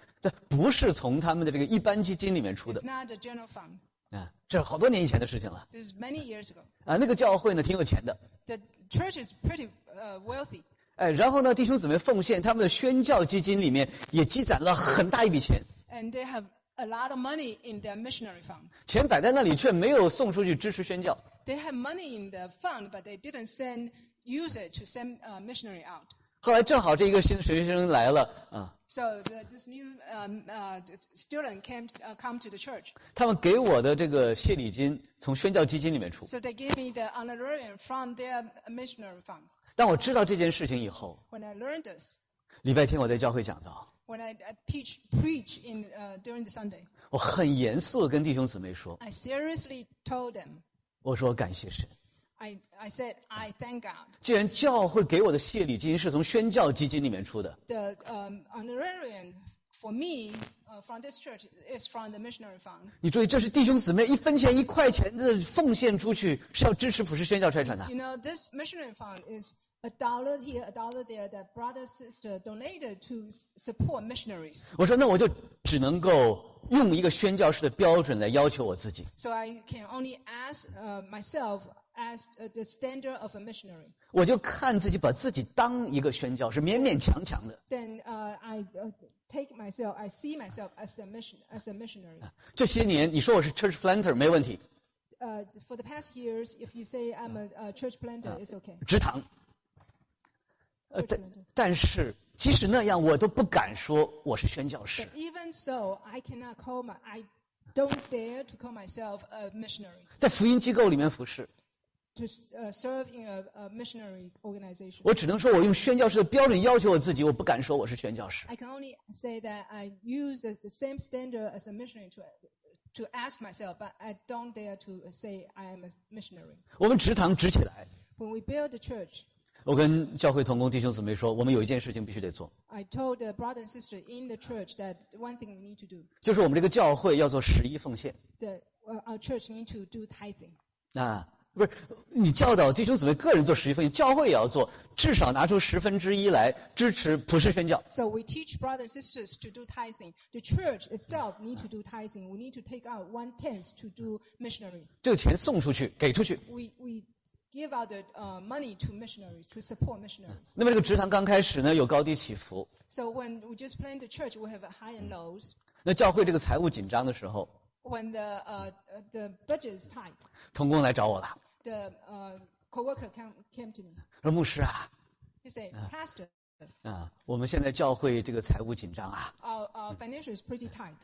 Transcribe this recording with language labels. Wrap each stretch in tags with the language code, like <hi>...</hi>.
<zh>但不是从他们的这个一般基金里面出的。</zh> <en>It's not a general fund.</en> <zh>这好多年以前的事情了。</zh> <en>This is many years ago.</en> <zh>那个教会呢挺有钱的。</zh> <en>The church is pretty wealthy.</en> <zh>然后呢，弟兄姊妹奉献，他们的宣教基金里面也积攒了很大一笔钱。</zh> <en>And they have a lot of money in their missionary fund.</en> <zh>钱摆在那里却没有送出去支持宣教。</zh> <en>They have money in the fund, but they didn't use it to send missionary out.</en> <zh>后来正好这一个新神学生来了啊。</zh> <en>So this new student came to the church.</en> <zh>他们给我的这个谢礼金从宣教基金里面出。</zh> <en>So they gave me the honorarium from their missionary fund.</en> <zh>当我知道这件事情以后。</zh> <en>When I learned this.</en> <zh>礼拜天我在教会讲到。</zh> <en>When I preach in during the Sunday.</en> <zh>我很严肃地跟弟兄姊妹说。</zh> <en>I seriously told them.</en> <zh>我说感谢神。</zh> <en>I said I thank God.</en> <zh>既然教会给我的谢礼金是从宣教基金里面出的。</zh> <en>The honorarium for me from this church is from the missionary fund.</en> <zh>你注意，这是弟兄姊妹一分钱一块钱的奉献出去，是要支持普世宣教差传的。</zh> <en>You know this missionary fund is a dollar here, a dollar there that brother sister donated to support missionaries.</en> <zh>我说那我就只能够。用一个宣教士的标准来要求我自己。</zh> <en>So I can only ask myself as the standard of a missionary.</en> <zh>我就看自己把自己当一个宣教，是勉勉强强的。</zh> <en>Then I see myself as a missionary.</en> <zh>这些年，你说我是 church planter 没问题。</zh> <en>For the past years, if you say I'm a church planter, it's okay.</en> <zh>职堂。但是。即使那样，我都不敢说我是宣教士。</zh> <en>But even so, I don't dare to call myself a missionary.</en> <zh>在福音机构里面服侍。</zh> <en>To serve in a missionary organization.</en> <zh>我只能说，我用宣教士的标准要求我自己，我不敢说我是宣教士。</zh> <en>I can only say that I use the same standard as a missionary to ask myself, but I don't dare to say I am a missionary.</en> <zh>我们职堂直起来。</zh> <en>When we build the church.</en> <zh>我跟教会同工弟兄姊妹说，我们有一件事情必须得做。</zh> <en>I told the brother and sister in the church that one thing we need to do.</en> <zh>就是我们这个教会要做十一奉献。</zh> <en>That our church need to do tithing.</en> <zh>啊，不是，你教导弟兄姊妹个人做十一奉献，教会也要做，至少拿出十分之一来支持普世宣教。</zh> <en>So we teach brothers and sisters to do tithing. The church itself need to do tithing. We need to take out one tenth to do missionary.</en> <zh>这个钱送出去，给出去。</zh> <en>We give out the money to missionaries to support missionaries.</en> <zh>那么这个职堂刚开始呢，有高低起伏。</zh> <en>So when we just plan the church, we have a high and lows.</en> <zh>那教会这个财务紧张的时候。</zh> <en>When the budget is tight.</en> <zh>同工来找我了。</zh> <en>The coworker came to me.</en> <zh>说牧师啊。</zh> <en>He said, Pastor.</en> <zh>啊，我们现在教会这个财务紧张啊。</zh> <en>Our financial is pretty tight.</en>